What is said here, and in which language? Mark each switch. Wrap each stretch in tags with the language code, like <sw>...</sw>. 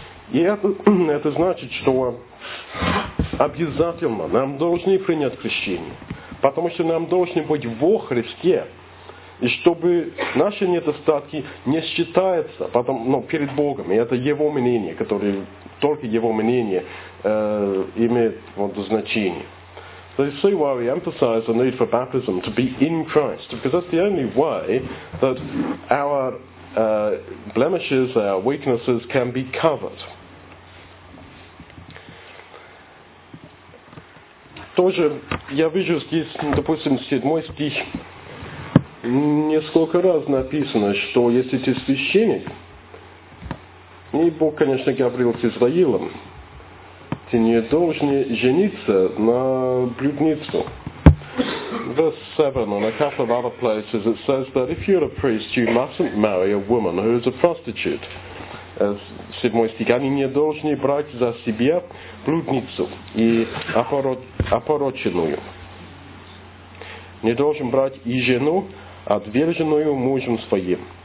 <ru>И это значит, что обязательно нам должны принять крещение. Потому что нам должны быть во Христе, и чтобы наши недостатки не считаются потом, перед Богом. И это Его мнение, которое только Его мнение имеет значение.</ru> <en>So you see why we emphasize the need for baptism, to be in Christ, because that's the only way that our blemishes, our weaknesses can be covered.</en> <ru>Тоже я вижу здесь, допустим, 7 стих, несколько раз написано, что если ты священник, и Бог, конечно, говорил с Израилем, ты не должен жениться на блюдницу.</ru> <en>Verse 7 and a couple of other places, it says that if you're a priest, you mustn't marry a woman who is a prostitute.</en> <ru>7 стих. Они не должны брать за себя блудницу и опороченную. Не должен брать и жену, отверженную мужем своим.</ru>